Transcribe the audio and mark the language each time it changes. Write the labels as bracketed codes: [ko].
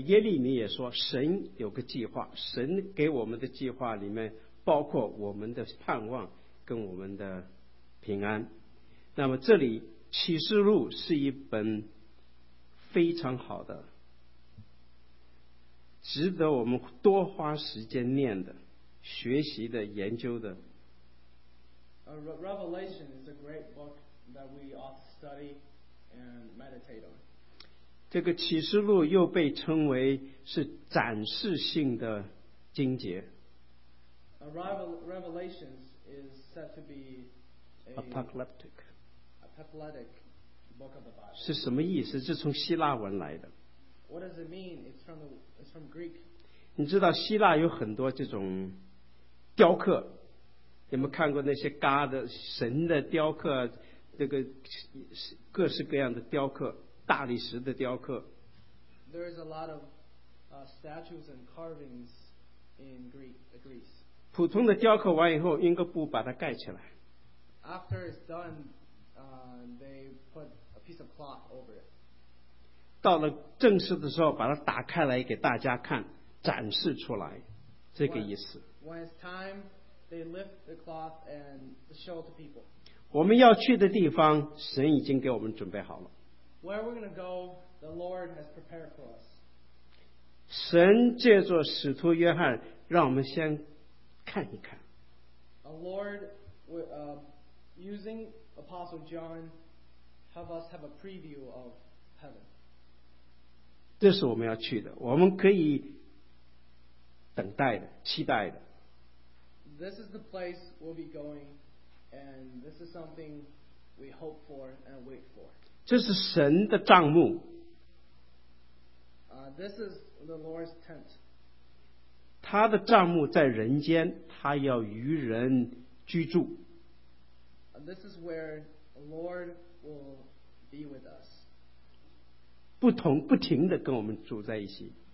[zh] 耶利米也说，神有个计划，神给我们的计划里面包括我们的盼望跟我们的平安。那么这里启示录是一本非常好的，值得我们多花时间念的、学习的、研究的。 [en] Revelation is a great book that we ought to study and meditate on. [zh] 这个启示录又被称为是展示性的经节。 [en] Revelation is said to be apocalyptic book of the Bible. [zh] 是什么意思？是从希腊文来的。 [en] What does it mean? It's from Greek. [zh] 你知道希腊有很多这种雕刻，你们看过那些嘎的神的雕刻，这个各式各样的雕刻，大理石的雕刻。 [en] There is a lot of statues and carvings in Greece. [zh] 普通的雕刻完以后，用个布把它盖起来。 [en] After it's done, they put a piece of cloth over it. [zh] 到了正式的时候把它打开来给大家看，展示出来，这个意思。 [en] When it's time, they lift the cloth and show to people. [zh] 我们要去的地方神已经给我们准备好了。 [en] Where we're going to go, the Lord has prepared for us. [zh] 神借着使徒约翰让我们先看一看。 [en] The Lord, using Apostle John, have us have a preview of heaven. [zh] 这是我们要去的，我们可以等待的、期待的。 [en] This is the place we'll be going, and this is something we hope for and wait for. [zh] 这是神的帐幕。 [en] This is the Lord's tent. [zh] 他的帐幕在人间，他要与人居住。 [en] This is where the Lord will be with us. [zh] 不同不停地跟我们住在一起。